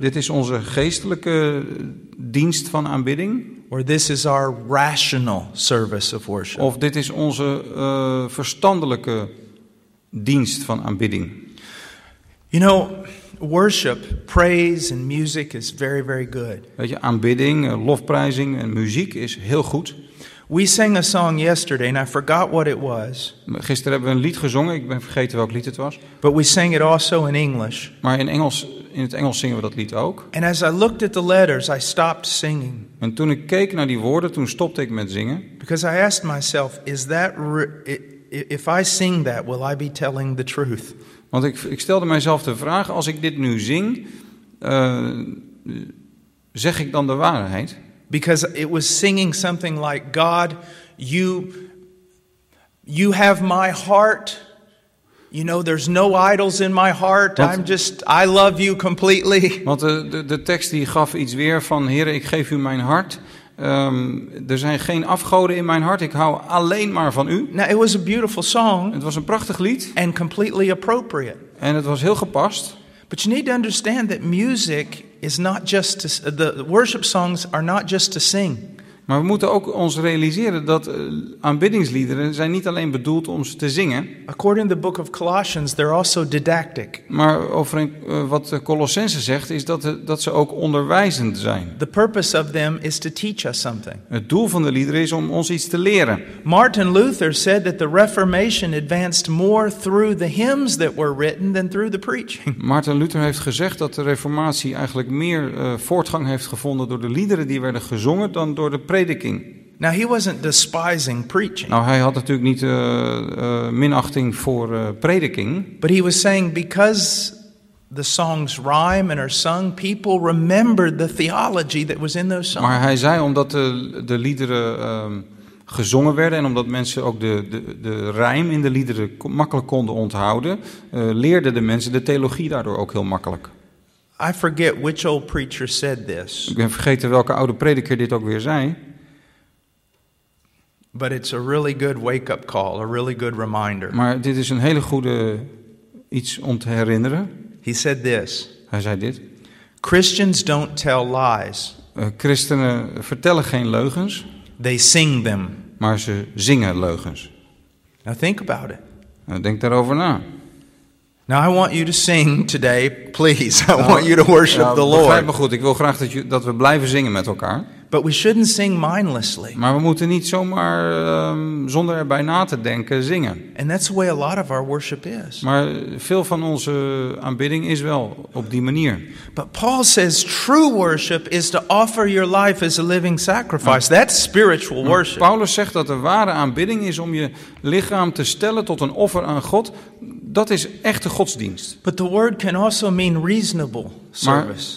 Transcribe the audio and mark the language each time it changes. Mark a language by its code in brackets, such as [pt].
[nl] Dit is onze geestelijke dienst van aanbidding. [en] Or this is our rational service of worship. [nl] Of dit is onze verstandelijke dienst van aanbidding. [en] You know, worship, praise and music is very, very good. [nl] Weet je, aanbidding, lofprijzing en muziek is heel goed. [en] We sang a song yesterday and I forgot what it was. [nl] Gisteren hebben we een lied gezongen. Ik ben vergeten welk lied het was. [en] But we sang it also in English. [nl] Maar in het Engels zingen we dat lied ook. [en] And as I looked at the letters, I stopped singing. [nl] En toen ik keek naar die woorden, toen stopte ik met zingen. [en] Because I asked myself, is that if I sing that, will I be telling the truth? [nl] Want ik stelde mijzelf de vraag, als ik dit nu zing, zeg ik dan de waarheid? [en] Because it was singing something like, God, you have my heart. You know, there's no idols in my heart. I love you completely. [nl] Want de tekst die gaf iets weer van, Heere, ik geef u mijn hart. Er zijn geen afgoden in mijn hart. Ik hou alleen maar van u. [en] Now, it was a beautiful song. [nl] Het was een prachtig lied. [en] And completely appropriate. [nl] En het was heel gepast. [en] But you need to understand that music is not just to, the worship songs are not just to sing. [nl] Maar we moeten ook ons realiseren dat aanbiddingsliederen zijn niet alleen bedoeld om ze te zingen. [en] According to the book of Colossians, they're also didactic. [nl] Maar wat Colossense zegt is dat ze ook onderwijzend zijn. [en] The purpose of them is to teach us something. [nl] Het doel van de liederen is om ons iets te leren. [en] Martin Luther said that the Reformation advanced more through the hymns that were written than through the preaching. [nl] Martin Luther heeft gezegd dat de Reformatie eigenlijk meer voortgang heeft gevonden door de liederen die werden gezongen dan door de prediking. [en] Now he wasn't despising preaching. [nl] Nou, hij had natuurlijk niet minachting voor prediking. [en] But he was saying because the songs rhyme and are sung, people remember the theology that was in those songs. [nl] Maar hij zei omdat de liederen gezongen werden en omdat mensen ook de rijm in de liederen makkelijk konden onthouden, leerden de mensen de theologie daardoor ook heel makkelijk. [en] I forget which old preacher said this. [nl] Ik ben vergeten welke oude prediker dit ook weer zei. [en] But it's a really good wake-up call, a really good reminder. [nl] Maar dit is een hele goede iets om te herinneren. [en] He said this. [nl] Hij zei dit. [en] Christians don't tell lies. [nl] Christenen vertellen geen leugens. [en] They sing them. [nl] Maar ze zingen leugens. [en] Now think about it. [nl] Denk daarover na. [en] Now I want you to sing today, please. I want you to worship the Lord. [nl] Begrijp me goed. Ik wil graag dat we blijven zingen met elkaar. [en] But we shouldn't sing mindlessly. [nl] Maar we moeten niet zomaar zonder erbij na te denken zingen. [en] And that's the way a lot of our worship is. [nl] Maar veel van onze aanbidding is wel op die manier. [en] But Paul says true worship is to offer your life as a living sacrifice. That's spiritual worship. [nl] Paulus zegt dat de ware aanbidding is om je lichaam te stellen tot een offer aan God. Dat is echte godsdienst. [en] But the word can also mean reasonable service.